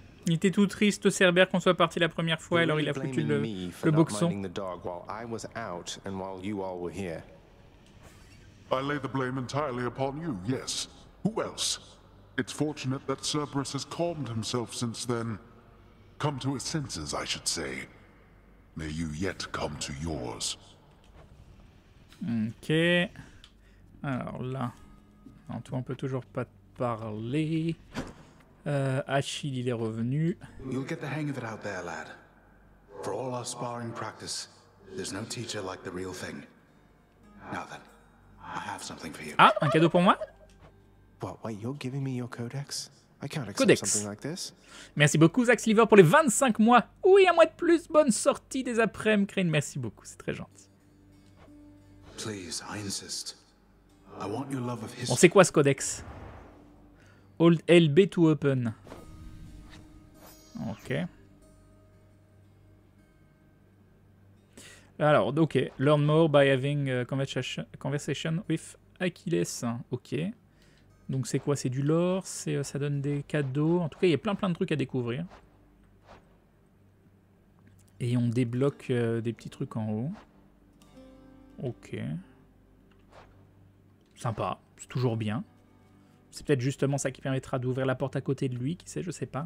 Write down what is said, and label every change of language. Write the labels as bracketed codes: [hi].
[fr] Il était tout triste, Cerber, qu'on soit parti la première fois, alors il a foutu le boxon. [en] The dog while I was out and while you all were here. I lay the blame entirely upon you, yes. Who else? It's fortunate that Cerberus has calmed himself since then. Come to his senses, I should say. May you yet come to yours. [fr] Ok, alors là, en tout on peut toujours pas te parler. Achille, il est revenu. [en] You'll get the hang of it out there, lad. For all our sparring practice, there's no teacher like the real thing. Now then, I have something for you. [fr] Ah, un cadeau pour moi? [en] What? Wait, you're giving me your codex? I can't accept codex. Something like this. [fr] Merci beaucoup, Zach Sliver, pour les 25 mois. Oui, un mois de plus. Bonne sortie des après-midi, Crane. Merci beaucoup, c'est très gentil. [en] Please, I insist. I want your love of history. [fr] On sait quoi ce codex? [en] Hold LB to open. [fr] Ok. Alors, ok. [en] Learn more by having a conversation with Achilles. [fr] Ok. Donc c'est quoi? C'est du lore. C'est, ça donne des cadeaux. En tout cas, il y a plein de trucs à découvrir. Et on débloque des petits trucs en haut. Ok. Sympa, c'est toujours bien. C'est peut-être justement ça qui permettra d'ouvrir la porte à côté de lui, qui sait, je sais pas.